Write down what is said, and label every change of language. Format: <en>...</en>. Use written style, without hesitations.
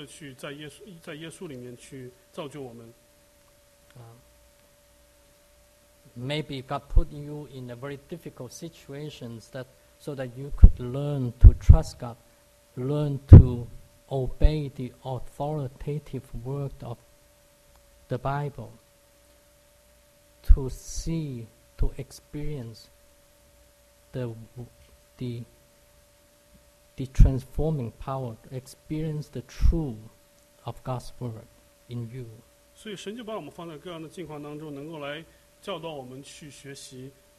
<zh>就是神继续的去在耶稣里面去造就我们。</zh> <en>Maybe God put you in a very difficult situation that so that you could learn to trust God, learn to obey the authoritative word of the Bible, to see, to experience the transforming power, experience the truth of God's word in you.</en> <zh>所以神就把我们放在各样的境况当中，能够来教导我们去学习。</zh>